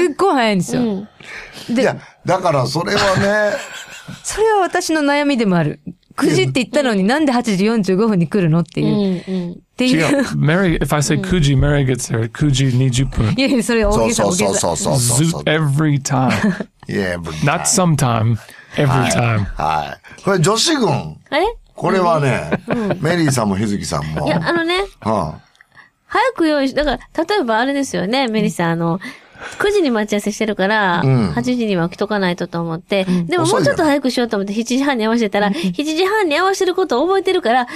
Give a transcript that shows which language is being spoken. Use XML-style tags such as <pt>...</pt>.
<ja>すっごい早いんですよ。うん、でいや、だからそれはね。それは私の悩みでもある。9時って言ったのに、なんで8時45分に来るのっていう。違う。</ja> <en>Mary, if I say 9時、Mary gets there, 9時20分。</en> <ja>いやいや、それ大げさ、大げさ。そう。</ja> <en>Every time. Yeah, every time. Not sometime, every time.</en> <ja>はい。これ、女子軍。え？これはね、メリーさんもヒズキさんも。いや、あのね。うん。早く用意し、だから、例えばあれですよね、メリーさん、あの、9時に待ち合わせしてるから、うん、8時には起きとかないとと思って、うん、でももうちょっと早くしようと思って7時半に合わせてたら、うん、7時半に合わせることを覚えてるから、</ja>